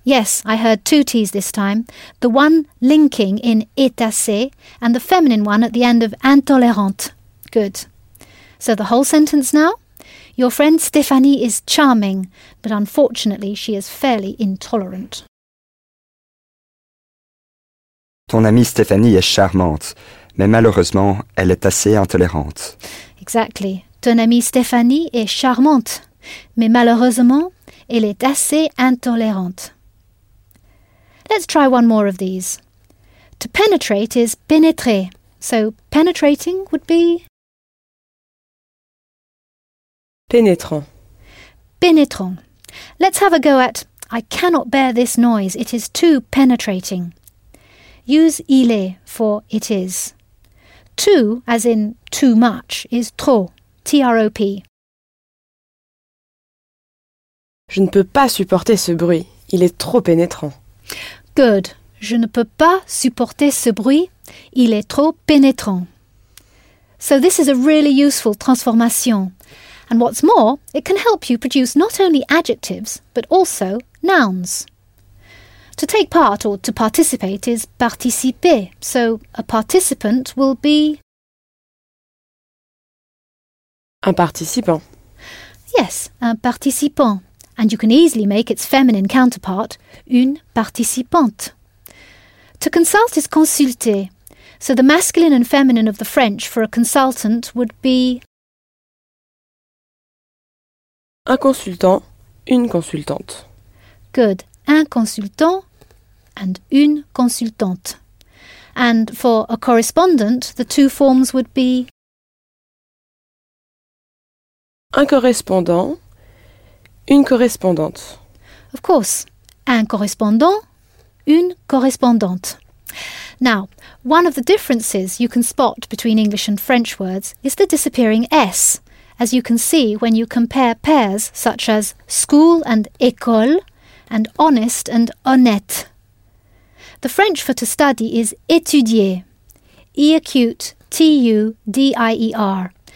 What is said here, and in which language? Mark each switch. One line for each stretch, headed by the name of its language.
English: Yes, I heard two T's this time. The one linking in
French: est assez
English: and the feminine one at the end of intolérante. Good. So the whole sentence now? Your friend Stéphanie is charming, but unfortunately she is fairly intolerant.
French: Ton amie Stéphanie est charmante, mais malheureusement elle est assez intolérante.
English: Exactly.
French: Ton amie Stéphanie est charmante, mais malheureusement elle est assez intolérante.
English: Let's try one more of these. To penetrate is pénétrer. So penetrating would be...
French: pénétrant. Pénétrant.
English: Let's have a go at I cannot bear this noise. It is too penetrating. Use
French: il est
English: for it is. Too, as in too much, is trop. T-R-O-P.
French: Je ne peux pas supporter ce bruit. Il est trop pénétrant.
English: Good.
French: Je ne peux pas supporter ce bruit. Il est trop pénétrant.
English: So this is a really useful transformation. And what's more, it can help you produce not only adjectives, but also nouns. To take part or to participate is participer. So a participant will be...
French: un participant.
English: Yes,
French: un participant.
English: And you can easily make its feminine counterpart,
French: une participante.
English: To consult is consulter. So the masculine and feminine of the French for a consultant would be...
French: un consultant, une consultante.
English: Good.
French: Un consultant and une consultante.
English: And for a correspondent, the two forms would be...
French: un correspondant, une correspondante.
English: Of course.
French: Un correspondant, une correspondante.
English: Now, one of the differences you can spot between English and French words is the disappearing S, as you can see when you compare pairs such as school and école and honest and honnête. The French for to study is étudier, E acute T-U-D-I-E-R.